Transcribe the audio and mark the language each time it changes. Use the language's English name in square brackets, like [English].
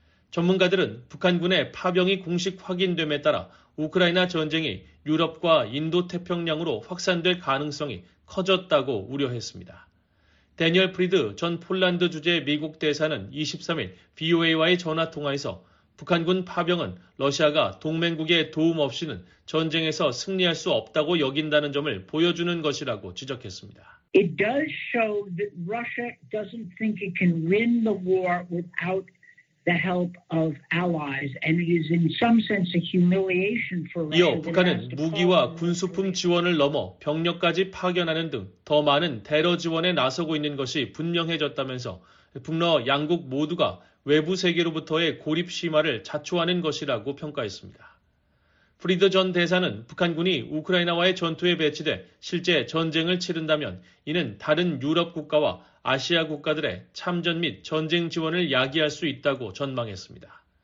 [Korean] 전문가들은 북한군의 파병이 공식 확인됨에 따라 우크라이나 전쟁이 유럽과 인도태평양으로 확산될 가능성이 커졌다고 우려했습니다. 대니얼 프리드 전 폴란드 주재 미국 대사는 23일 VOA와의 전화통화에서 북한군 파병은 러시아가 동맹국의 도움 없이는 전쟁에서 승리할 수 없다고 여긴다는 점을 보여주는 것이라고 지적했습니다. [English] It does show that Russia doesn't think it can win the war without the help of allies, and it is in some sense a humiliation for Russia. [Korean] 이어 북한은 무기와 군수품 지원을 넘어 병력까지 파견하는 등 더 많은 대러 지원에 나서고 있는 것이 분명해졌다면서 북러 양국 모두가 외부 세계로부터의 고립 심화를 자초하는 것이라고 평가했습니다. 프리드 전 대사는 북한군이 우크라이나와의 전투에 배치돼 실제 전쟁을 치른다면 이는 다른 유럽 국가와 아시아 국가들의 참전 및 전쟁 지원을 야기할 수 있다고 전망했습니다.